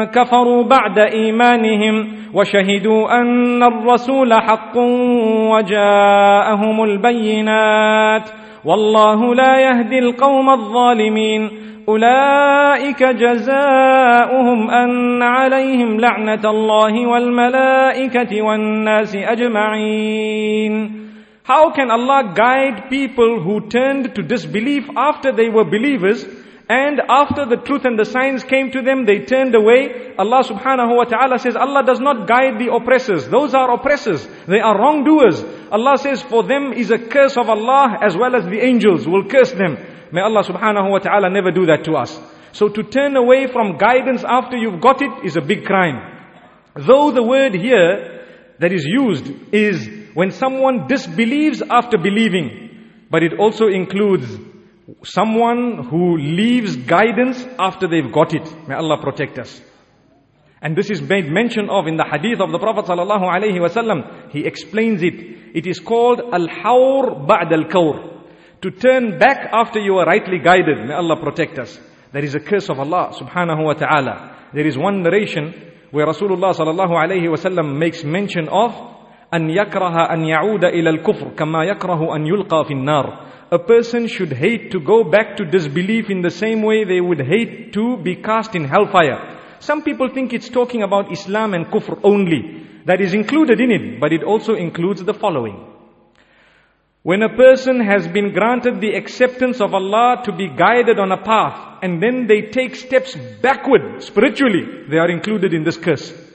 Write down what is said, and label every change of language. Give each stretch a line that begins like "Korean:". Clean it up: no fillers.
Arabic: كفروا بعد إيمانهم وشهدوا أن الرسول حق وجاءهم البينات والله لا يهدي القوم الظالمين أولئك جزاؤهم أن عليهم لعنة الله والملائكة والناس أجمعين.
English: How can Allah guide people who turned to disbelief after they were believers, and after the truth and the signs came to them, they turned away? Allah subhanahu wa ta'ala says, Allah does not guide the oppressors. Those are oppressors. They are wrongdoers. Allah says, for them is a curse of Allah, as well as the angels will curse them. May Allah subhanahu wa ta'ala never do that to us. So to turn away from guidance after you've got it is a big crime. Though the word here that is used is when someone disbelieves after believing, but it also includes someone who leaves guidance after they've got it. May Allah protect us. And this is made mention of in the hadith of the Prophet sallallahu alayhi wa sallam. He explains it. It is called al-hawr ba'd al-kawr. To turn back after you are rightly guided. May Allah protect us. That is a curse of Allah subhanahu wa ta'ala. There is one narration where Rasulullah sallallahu alayhi wa sallam makes mention of
Arabic: أن يكره أن يعود إلى الكفر كما يكره أن يلقى في النار.
English: A person should hate to go back to disbelief in the same way they would hate to be cast in hellfire. Some people think it's talking about Islam and kufr only. That is included in it, but it also includes the following. When a person has been granted the acceptance of Allah to be guided on a path, and then they take steps backward spiritually, they are included in this curse.